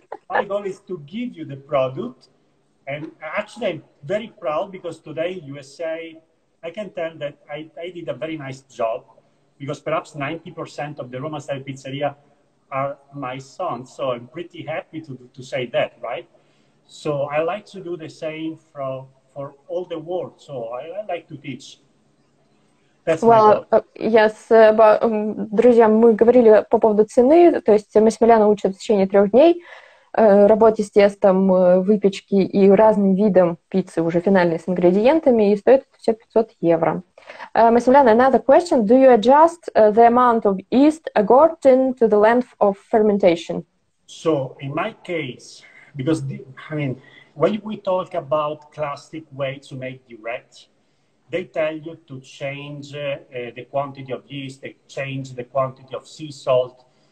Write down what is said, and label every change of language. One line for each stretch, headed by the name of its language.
English: My goal is to give you the product. And actually, I'm very proud because today in USA, I can tell that I did a very nice job. Because perhaps 90% of the Roma style pizzeria are my sons, so I'm pretty happy to say that, right? So I like to do the same for all the world. So I like to teach. That's well, yes, but,
Russian: друзья, мы говорили по поводу цены, то есть Масмеляна учит в течение 3 дней. работе с тестом, выпечки и разным видом пиццы уже финальные с ингредиентами, и стоит это все 500 евро.
English: Масимилиана, another question. Do you adjust the amount of yeast aggregating to the length of fermentation? So, in my case, because, the, I mean, when we talk about classic way to make direct, they tell you to change the quantity of yeast, they change the quantity of sea salt.